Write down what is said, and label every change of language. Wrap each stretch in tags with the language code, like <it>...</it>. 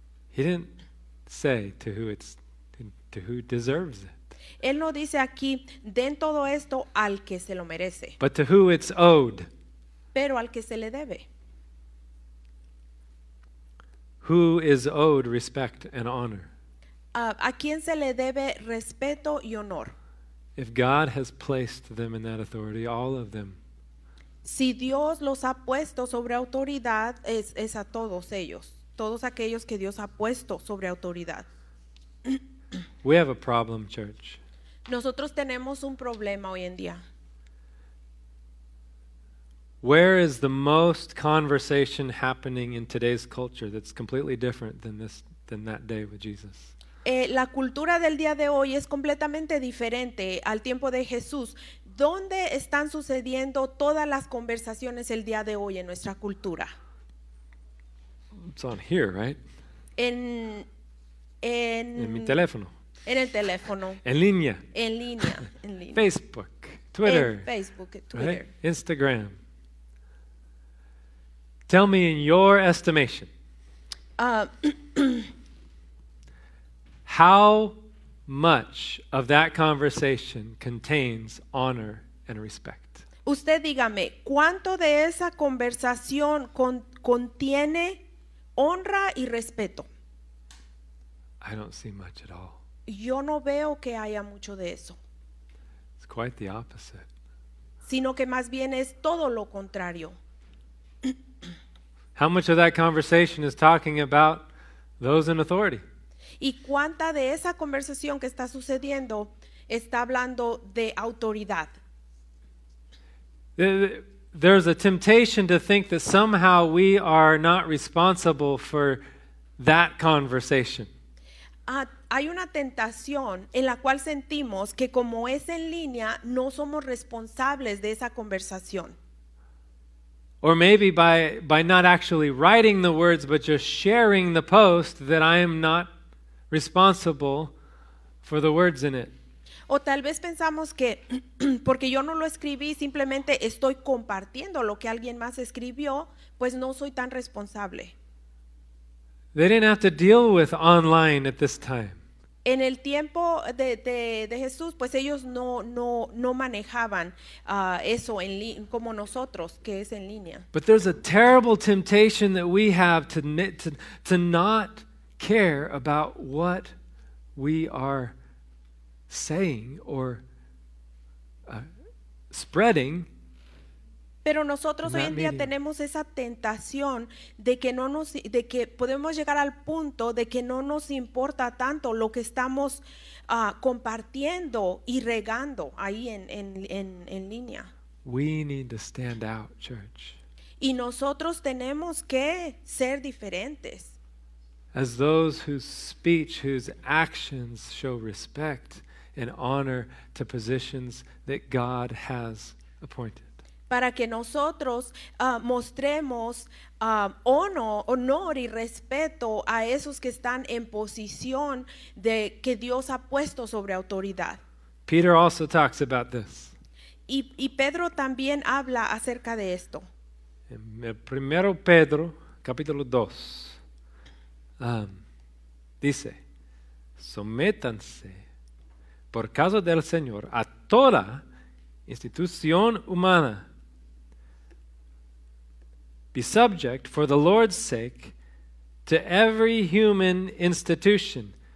<en>He didn't say to who it's to who deserves it.</en> <es>Él no dice aquí, den todo esto al que se lo merece.</es> <en>But to who it's owed.</en> <es>Pero al que se le debe.</es> <en>Who is owed respect and honor?</en> <es>¿A quién se le debe respeto y honor?</es> <en>If God has placed them in that authority, all of them.</en> <es>Si Dios los ha puesto sobre autoridad, es a todos ellos. Todos aquellos que Dios ha puesto sobre autoridad.</es> <en>We have a problem, church.</en> <es>Nosotros tenemos un problema hoy en día.</es> <en>Where is the most conversation happening in today's culture that's completely different than that day with Jesus?</en> <es>La cultura del día de hoy es completamente diferente al tiempo de Jesús. ¿Dónde están sucediendo todas las conversaciones el día de hoy en nuestra cultura?</es> <en>It's on here, right?</en> <es>En mi teléfono. En el teléfono. En línea. Facebook, Twitter.</es> <en>Right? Instagram. Tell me in your estimation. How much of that conversation contains honor and respect?</en> <es>Usted dígame, ¿cuánto de esa conversación contiene honra y respeto?</es> <en>I don't see much at all.</en> <es>Yo no veo que haya mucho de eso.</es> <en>It's quite the opposite.</en> <es>Sino que más bien es todo lo contrario.</es> <en>How much of that conversation is talking about those in authority?</en> <es>¿Y cuánta de esa conversación que está sucediendo está hablando de autoridad?</es> <en>There's a temptation to think that somehow we are not responsible for that conversation.</en> <es>Hay una tentación en la cual sentimos que como es en línea, no somos responsables de esa conversación.</es> <en>Or maybe by not actually writing the words, but just sharing the post, that I am not responsible for the words in it.</en> <es>O tal vez pensamos que, porque yo no lo escribí, simplemente estoy compartiendo lo que alguien más escribió, pues no soy tan responsable.</es> <en>They didn't have to deal with online at this time.</en> <es>En el tiempo de Jesús, pues ellos no manejaban eso en como nosotros, que es en línea.</es> <en>But there's a terrible temptation that we have to not care about what we are saying or spreading.</en> <es>Pero nosotros hoy en día tenemos esa tentación de que podemos llegar al punto de que no nos importa tanto lo que estamos compartiendo y regando ahí en línea.</es> <en>We need to stand out, church.</en> <es>Y nosotros tenemos que ser diferentes.</es> <en>As those whose speech, whose actions show respect and honor to positions that God has appointed.</en> <es>Para que nosotros mostremos honor y respeto a esos que están en posición de que Dios ha puesto sobre autoridad.</es> <en>Peter also talks about this.</en> <es>Y Pedro también habla acerca de esto. En el primero Pedro, capítulo 2, dice, sométanse por causa del Señor a toda institución humana.</es> <en>Be subject for the Lord's sake to every human institution.</en>